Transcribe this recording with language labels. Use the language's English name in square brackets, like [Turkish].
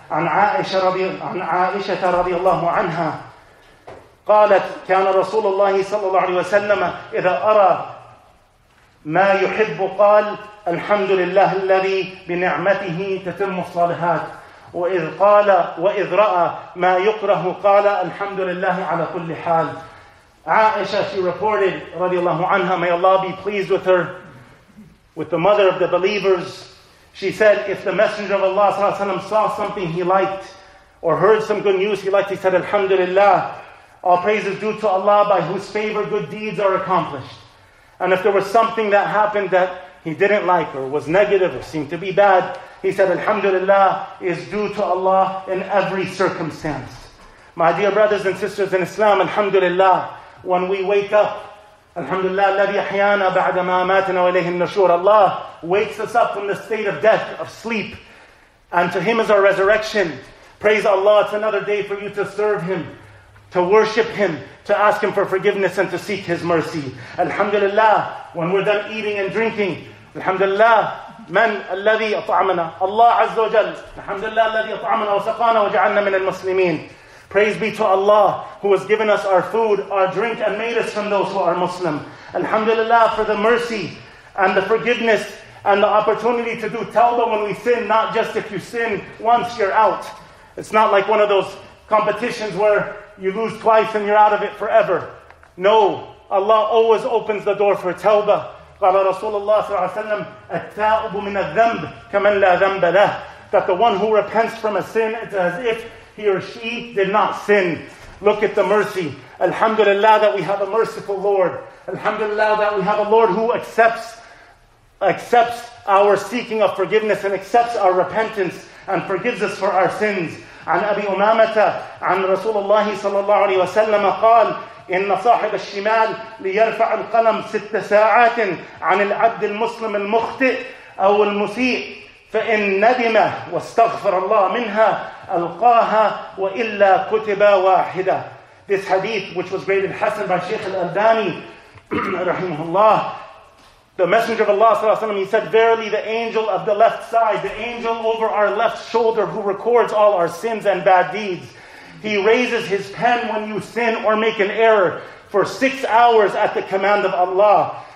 [Arabic] عن عائشة رضي الله عنها قالت كان رسول الله صلى الله عليه وسلم إذا أرى ما يحب قال الحمد لله الذي بنعمته تتم الصالحات وإذ قال وإذ رأى ما يكره قال الحمد لله على كل حال. [English] Aisha, she reported [Arabic] رضي الله عنها, [English] may Allah be pleased with her, with the mother of the believers. She said, if the Messenger of Allah sallallahu alayhi wa sallam saw something he liked or heard some good news he liked, he said, Alhamdulillah, all praise is due to Allah by whose favor good deeds are accomplished. And if there was something that happened that he didn't like or was negative or seemed to be bad, he said, Alhamdulillah is due to Allah in every circumstance. My dear brothers and sisters in Islam, Alhamdulillah, when we wake up, Alhamdulillah, [Arabic] الذي أحيانا بعدما ماتنا وإليه النشور. [English] Allah wakes us up from the state of death, of sleep. And to Him is our resurrection. Praise Allah, it's another day for you to serve Him, to worship Him, to ask Him for forgiveness and to seek His mercy. Alhamdulillah, when we're done eating and drinking. [Arabic] Alhamdulillah, من الذي أطعمنا. Allah عز وجل. Alhamdulillah, الذي أطعمنا وسقانا وجعلنا من المسلمين. [English] Praise be to Allah who has given us our food, our drink, and made us from those who are Muslim. Alhamdulillah for the mercy and the forgiveness and the opportunity to do tawbah when we sin, not just if you sin once, you're out. It's not like one of those competitions where you lose twice and you're out of it forever. No, Allah always opens the door for tawbah. [Arabic] قَالَ رَسُولَ اللَّهِ صَلَّى اللَّهُ عَلَيْهِ وَسَلَّمَ التَّاؤُبُ مِنَ الذَّنْبِ كَمَنْ لَا ذَنْبَ لَهُ. [English] That the one who repents from a sin, it's as if he or she did not sin. Look at the mercy. Alhamdulillah that we have a merciful Lord. Alhamdulillah that we have a Lord who accepts our seeking of forgiveness and accepts our repentance and forgives us for our sins. [Arabic] عن أبي أمامة عن رسول الله صلى الله عليه وسلم قال إن صاحب الشمال ليرفع القلم ست ساعات عن العبد المسلم المخطئ أو المسيء فإن ندم واستغفر الله منها ألقاها وإلا كتب واحدة. [English] This hadith, which was graded Hassan by Shaykh al-Albani, rahimahullah, the Messenger of Allah sallallahu alaihi wasallam, he said, verily the angel of the left side, the angel over our left shoulder who records all our sins and bad deeds, he raises his pen when you sin or make an error for 6 hours at the command of Allah.